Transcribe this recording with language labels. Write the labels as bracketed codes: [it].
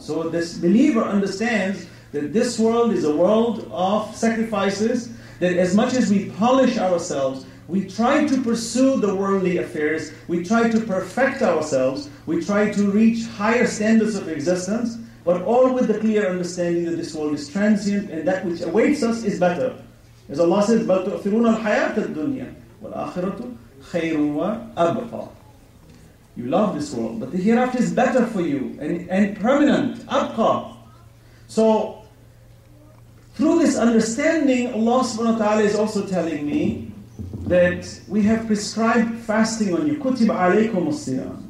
[en] So this believer understands that this world is a world of sacrifices, that as much as we polish ourselves, we try to pursue the worldly affairs, we try to perfect ourselves, we try to reach higher standards of existence, but all with the clear understanding that this world is transient and that which awaits us is better. As Allah says, [ar] بَلْ تُؤْثِرُونَ الْحَيَاةَ الدُّنْيَا وَالْآخِرَةُ خَيْرٌ وَأَبْقَى. [en] You love this world, but the hereafter is better for you and permanent. [ar] أَبْقَى. [en] So, through this understanding, Allah subhanahu wa ta'ala is also telling me that we have prescribed fasting on you. [ar] كُتِبْ عَلَيْكُمُ الصِّيَامُ.